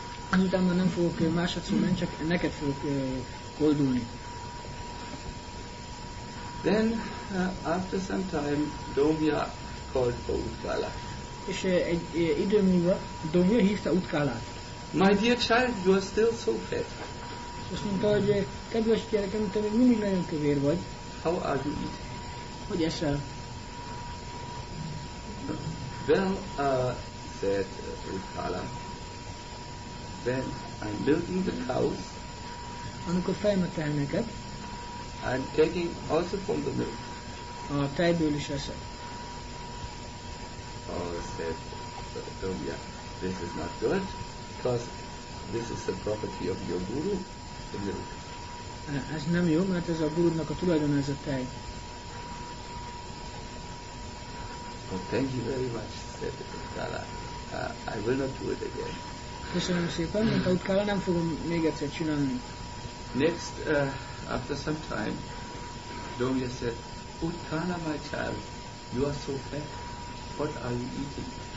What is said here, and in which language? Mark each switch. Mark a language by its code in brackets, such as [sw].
[hu] Azután már nem fogok másodszor menni, csak neked fogok koldulni. [en] Then, after some time, Domya called for Utkala. [hu] És egy idő múlva Domya hívta Utkalát. [en] My dear child, you are still so fat. [hu] Azt mondta, hogy kedves gyerekem, te még mindig nagyon kövér vagy. [en] How are you eating? [hu] Hogy eszel? [en] Well, said Utkala, when I'm milking the cows, [hu] amikor fejem a teheneket, [en] I'm taking also from the milk. [hu] A tejből is eszek. [en] Oh, said Domya, this is not good, because this is the property of your guru, the milk. [hu] Ez nem jó, mert ez a gurúnak a tulajdona, ez a tej. [en] Oh, thank you very much, said Utkala. I will not do it again. [hu] Köszönöm szépen, mint Utkala, nem fogom még egyszer csinálni. [en] Next, after some time, Domya said, Utkala, my child, you are so fat. What are you eating?